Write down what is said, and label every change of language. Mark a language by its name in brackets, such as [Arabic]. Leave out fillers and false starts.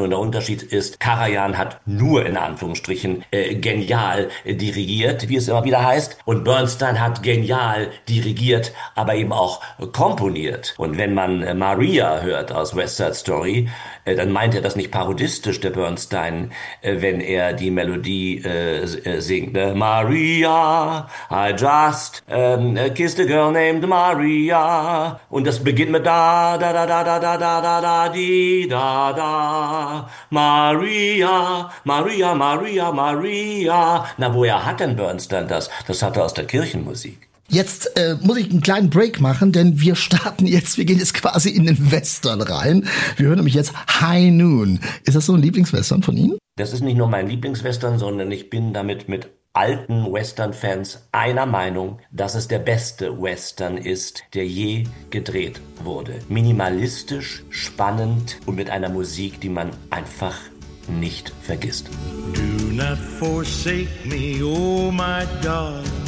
[German] Und der Unterschied ist, Karajan hat nur in Anführungsstrichen genial dirigiert, wie es immer wieder heißt. Und Bernstein hat genial dirigiert, aber eben auch komponiert. Und wenn man Maria hört aus West Side Story, dann meint er das nicht parodistisch, der Bernstein, wenn er die Melodie singt. [English] Maria, I just kissed a girl named Maria. [German] Und das beginnt mit da, da, da, da, da, da, da, da, da, di, da, da. Maria, Maria, Maria, Maria. Na, woher hat denn Bernstein das? Das hat er aus der Kirchenmusik. Jetzt muss ich einen kleinen Break machen, denn wir starten jetzt, wir gehen jetzt quasi in den Western rein. Wir hören nämlich jetzt High Noon. Ist das so ein Lieblingswestern von Ihnen? Das ist nicht nur mein Lieblingswestern, sondern ich bin damit mit alten Western-Fans einer Meinung, dass es der beste Western ist, der je gedreht wurde. Minimalistisch, spannend und mit einer Musik, die man einfach nicht vergisst. [English] Do not forsake me, oh my God.